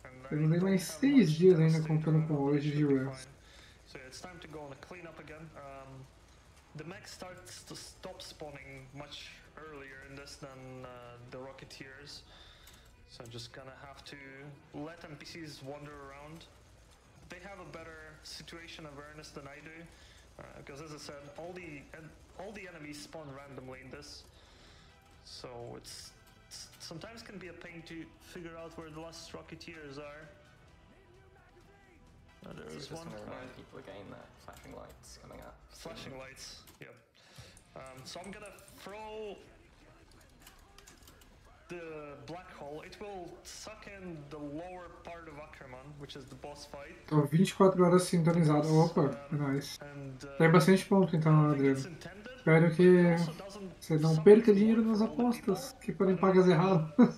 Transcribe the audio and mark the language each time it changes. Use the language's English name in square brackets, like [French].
[Portuguese] Eu levei mais 6 dias ainda contando com hoje de run. [English] So it's time to go on a clean up again. The mech starts to stop spawning much earlier in this than the Rocketeers. So I'm just gonna have to let NPCs wander around. They have a better situation awareness than I do. Because as I said, all the enemies spawn randomly in this. So it's sometimes can be a pain to figure out where the last Rocketeers are. There is one. Just remind people again that flashing lights coming up. Flashing lights, yep. So I'm gonna throw the black hole. It will suck in the lower part of Ackerman, which is the boss fight. [Portuguese] Tô 24 horas sintonizado, opa, nice. Tem bastante ponto então, Adriano. Espero que você não perca dinheiro nas apostas, que podem pagar errado.